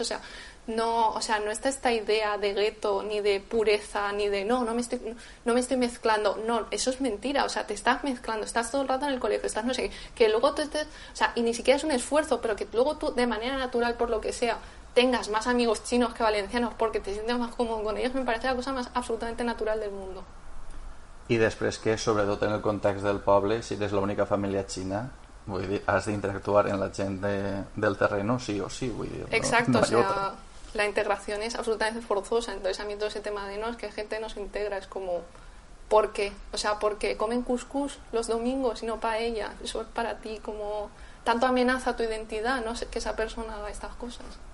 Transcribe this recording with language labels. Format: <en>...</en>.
<es>O sea, no está esta idea de gueto, ni de pureza, ni de no me estoy mezclando. No, eso es mentira. O sea, te estás mezclando, estás todo el rato en el colegio, estás no sé qué, que luego tú estés, o sea, y ni siquiera es un esfuerzo, pero que luego tú, de manera natural, por lo que sea, tengas más amigos chinos que valencianos porque te sientes más cómodo con ellos, me parece la cosa más absolutamente natural del mundo.</es> <ca>I després que, sobretot en el context del poble, si eres l'única família xina, vull dir, has d'interactuar amb la gent del terreno, sí o sí, vull dir.</ca> <es>Exacto, no, o sea, la integración es absolutamente forzosa. Entonces a mí todo ese tema de no, es que gente no se integra, es como, ¿por qué? O sea, porque comen cuscús los domingos y no paella, eso es para ti como, tanto amenaza tu identidad, no sé, que esa persona haga estas cosas.</es>